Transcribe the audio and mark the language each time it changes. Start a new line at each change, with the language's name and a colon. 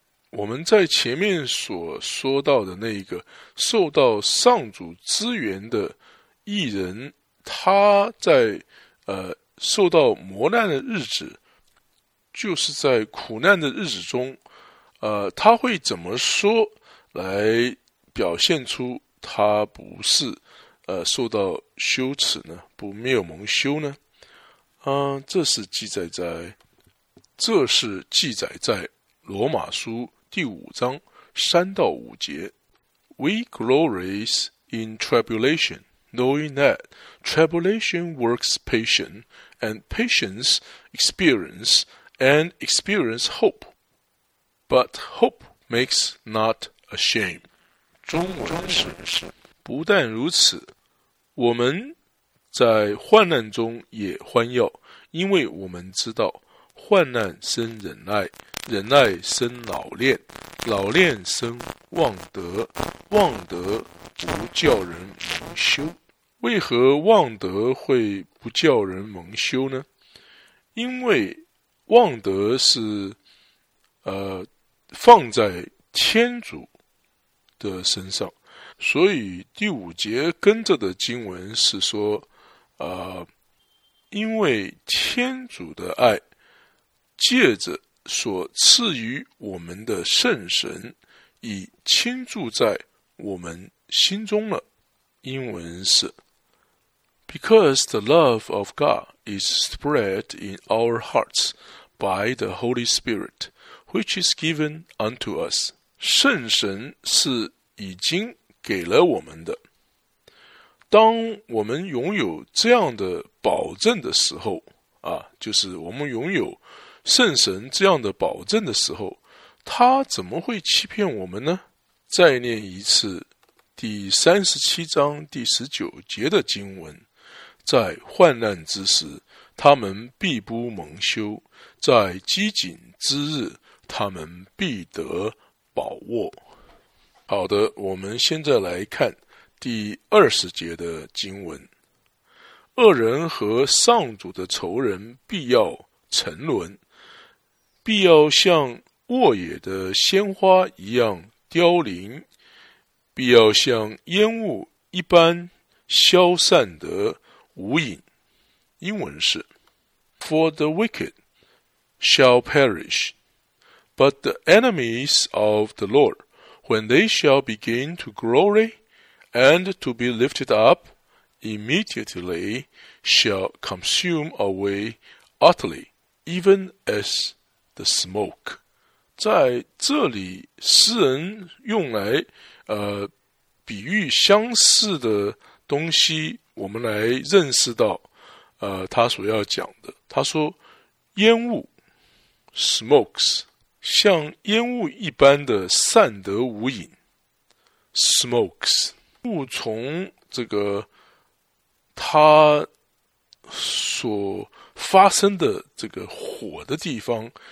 Chinese: 我们在前面所说到的那一个受到上主支援的义人，他在受到磨难的日子，就是在苦难的日子中，他会怎么说来表现出他不是受到羞耻呢？不，没有蒙羞呢？这是记载在，这是记载在罗马书第五章三到五节。
English: We glories in tribulation, knowing that tribulation works patience, and patience experience, and experience hope. But hope makes not ashamed.
Chinese: 中文是，不但如此，我们在患难中也欢耀，因为我们知道患难生忍耐，忍耐生老练，老练生望德，望德不叫人蒙羞。为何望德会不叫人蒙羞呢？因为望德是放在天主的身上。所以第五节跟着的经文是说，因为天主的爱借着所赐予我们的圣神已倾注在我们心中了。英文是
English: Because the love of God is spread in our hearts by the Holy Spirit which is given unto us.
Chinese: 圣神是已经给了我们的，当我们拥有这样的保证的时候啊，就是我们拥有圣神这样的保证的时候，他怎么会欺骗我们呢？再念一次第37章第19节的经文，在患难之时他们必不蒙羞，在饥馑之日他们必得宝物。好的，我们现在来看第20节的经文，恶人和上主的仇人必要沉沦，必要像沃野的鲜花一样凋零，必要像烟雾一般消散得无影。英文是
English: For the wicked shall perish, but the enemies of the Lord, when they shall begin to glory and to be lifted up, immediately shall consume away utterly, even as the smoke.
Chinese: 在这里诗人用来比喻相似的东西，我们来认识到他所要讲的。他说烟雾 smokes 像烟雾一般的散得无影， smokes 雾从这个他所发生的这个火的地方